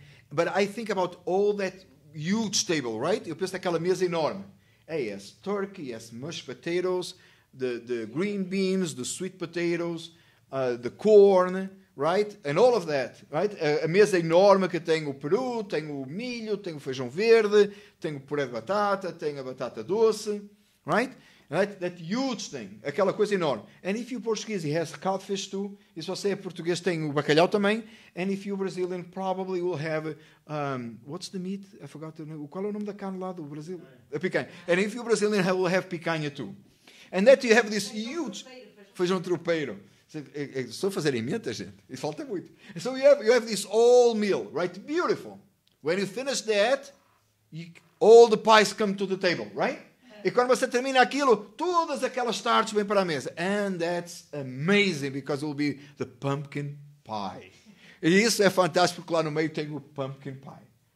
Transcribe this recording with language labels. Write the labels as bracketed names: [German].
[English] But I think about all that huge table, right? [Portuguese] Eu penso naquela mesa enorme. [English] Hey, yes, turkey, yes, mashed potatoes, the green beans, the sweet potatoes, the corn, right? And all of that, right? [Portuguese] A mesa enorme que tem o peru, tem o milho, tem o feijão verde, tem o puré de batata, tem a batata doce, right? [English] That huge thing, [Portuguese] aquela coisa enorme. [English] And if you Portuguese, he has codfish too. [Portuguese] E se você é português, tem o bacalhau também. [English] And if you Brazilian, probably will have, what's the meat? I forgot the name. [Portuguese] Qual é o nome da carne lá do Brasil? A picanha. [English] And if you Brazilian, will have picanha too. And that you have this huge feijão tropeiro. [Portuguese] Estou a fazer em mente, gente. E falta muito. [English] So you have this whole meal, right? Beautiful. When you finish that, all the pies come to the table, right? [Portuguese] E quando você termina aquilo, todas aquelas tartes vêm para a mesa. [English] And that's amazing, because it will be the pumpkin pie. [Portuguese] E isso é fantástico, porque lá no meio tem o pumpkin pie.